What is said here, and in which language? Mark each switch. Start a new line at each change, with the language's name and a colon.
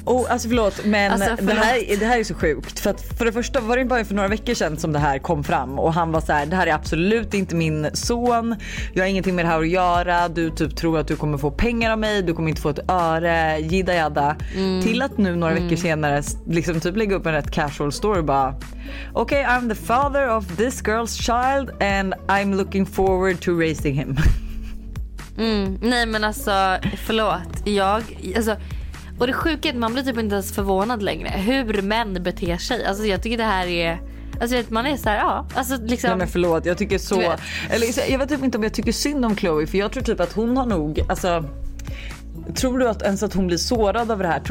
Swedish: Oh, alltså förlåt, men alltså, det här är så sjukt. För det första var det bara för några veckor sedan som det här kom fram. Och han var så här: det här är absolut inte min son. Jag har ingenting med det här att göra. Du typ tror att du kommer få pengar av mig. Du kommer inte få ett öre, jidda jadda. Mm. Till att nu några veckor senare liksom typ lägga upp en rätt casual story bara...
English: Okay, I'm the father of this girl's child and I'm looking forward to raising him.
Swedish: Nej men alltså, förlåt. Jag, alltså, och det sjuka är att man blir typ inte ens förvånad längre hur män beter sig. Alltså jag tycker det här är, alltså att man är så här, ja, alltså liksom. Nej men förlåt, jag tycker så, eller jag vet typ inte om jag tycker synd om Khloe, för jag tror typ att hon har nog, alltså, tror du att ens att hon blir sårad av det här?